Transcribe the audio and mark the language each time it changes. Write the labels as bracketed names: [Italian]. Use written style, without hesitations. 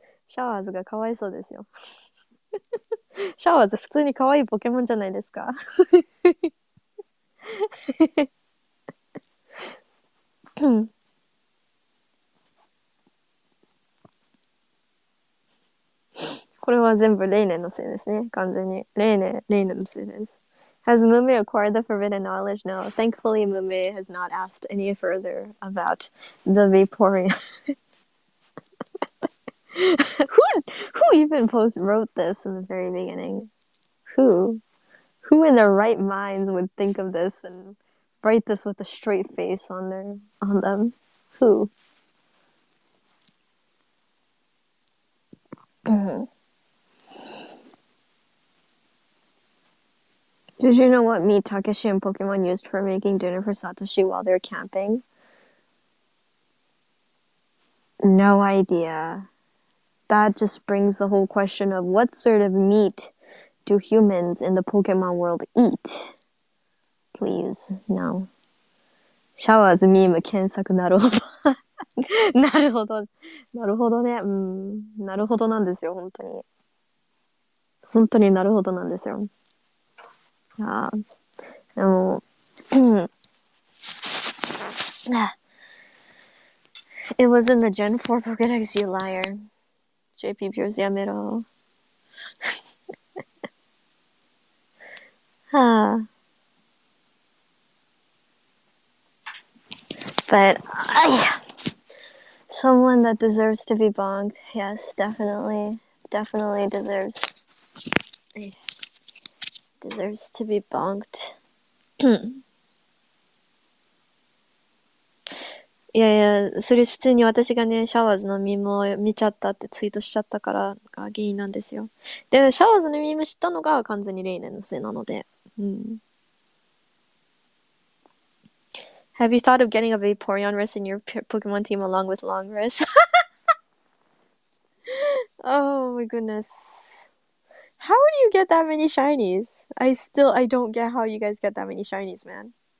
[Japanese] シャワーズがかわいそうですよ。シャワーズ普通にかわいいポケモンじゃないですか? これは全部レイネのせいですね。完全に。レイネのせいです。 [English] Has Mume acquired the forbidden knowledge? No. Thankfully, Mume has not asked any further about the Vaporeon. who even wrote this in the very beginning? Who in their right minds would think of this and write this with a straight face on them? Who? Did you know what meat Takeshi and Pokemon used for making dinner for Satoshi while they're camping? No idea. That just brings the whole question of what sort of meat do humans in the Pokemon world eat? Please, no. [Japanese] シャワーズミーム検索なるほど。なるほど。なるほどね。なるほどなんですよ、本当に。本当になるほどなんですよ。ああ、でも、 [English] It was in the Gen 4 Pokédex, you liar. [Japanese] JP Pures, やめろ。 [English] But, someone that deserves to be bonged, yes, definitely, definitely deserves to be bonked. [Japanese] いやいや、それ普通に私がね、シャワーズのミームを見ちゃったってツイートしちゃったからが原因なんですよ。で、シャワーズのミーム知ったのが完全にレイネのせいなので。うん。 [English] Have you thought of getting a baby Porygon-ress in your Pokemon team along with Longress? Oh my goodness. How do you get that many shinies? I don't get how you guys get that many shinies, man.